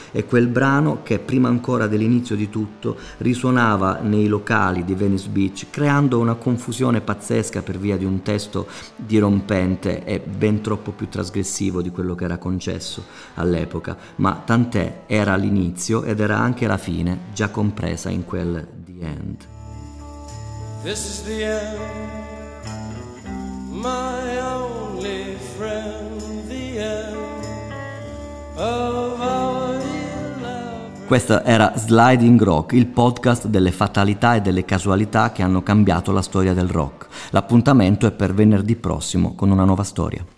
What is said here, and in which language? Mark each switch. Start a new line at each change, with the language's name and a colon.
Italian: È quel brano che prima ancora dell'inizio di tutto risuonava nei locali di Venice Beach, creando una confusione pazzesca per via di un testo dirompente e ben troppo più trasgressivo di quello che era concesso all'epoca. Ma tant'è, era l'inizio ed era anche la fine, già compresa in quel The End.
English: This is the end, my only friend, the end of our
Italian: Questa era Sliding Rock, il podcast delle fatalità e delle casualità che hanno cambiato la storia del rock. L'appuntamento è per venerdì prossimo con una nuova storia.